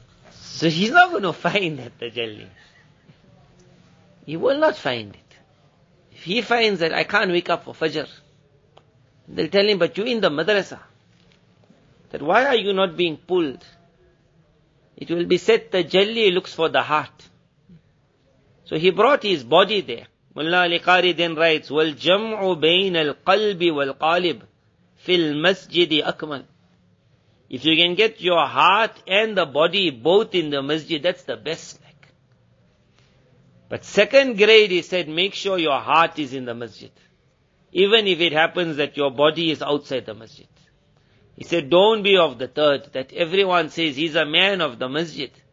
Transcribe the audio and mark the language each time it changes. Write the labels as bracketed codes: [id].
[en] So he's not going to find that tajalli. He will not find it. If he finds that I can't wake up for Fajr, they'll tell him, but you're in the madrasa. That why are you not being pulled? It will be said, the tajalli looks for the heart. So he brought his body there. Mullah Ali Qari then writes, [ar] وَالْجَمْعُ بَيْنَ الْقَلْبِ وَالْقَالِبِ فِي الْمَسْجِدِ أَكْمَلِ. [en] If you can get your heart and the body both in the masjid, that's the best. But second grade, he said, make sure your heart is in the masjid. Even if it happens that your body is outside the masjid. He said, don't be of the third, that everyone says he's a man of the masjid.